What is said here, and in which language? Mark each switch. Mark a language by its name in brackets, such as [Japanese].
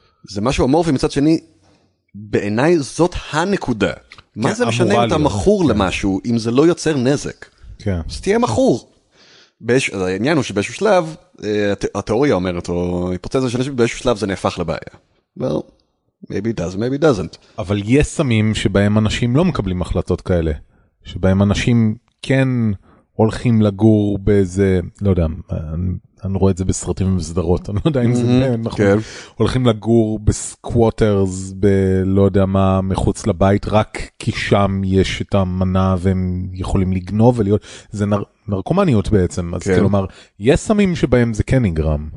[Hebrew] זה משהו אמורפי, מצד שני, בעיניי זאת הנקודה. מה זה משנה אם אתה מכור למשהו, אם זה לא יוצר נזק? כן. אז תהיה מכור. העניין הוא שבאיזשהו שלב, התיאוריה אומרת, או היפותזה של אנשים, באיזשהו שלב זה נהפך לבעיה. [English] Well, maybe it does, maybe it doesn't. [Hebrew] אבל יש סמים שבהם אנשים לא מקבלים החלטות כאלה. שבהם אנשים כן הולכים לגור באיזה, לא יודע, אני רואה את זה בסרטים ובסדרות, אני לא יודע אם זה כן, אנחנו הולכים לגור בסקווטרס, בלא יודע מה, מחוץ לבית, רק כי שם יש את המנה, והם יכולים לגנוב ולהיות, זה נרקומניות בעצם, אז כלומר, יש סמים שבהם זה כן נגרם.